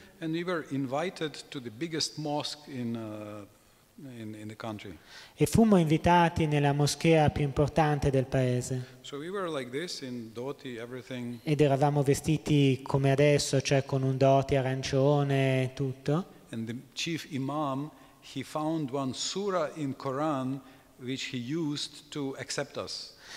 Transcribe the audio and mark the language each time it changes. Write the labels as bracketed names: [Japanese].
[English] And we were invited to the biggest mosque in the country. [Italian] E fummo invitati nella moschea più importante del paese. [English] So we were like this in dhoti, everything. [Italian] Ed eravamo vestiti come adesso, cioè con un dhoti arancione e tutto. [English] And the chief imam, he found one surah in Quran which he used to accept us.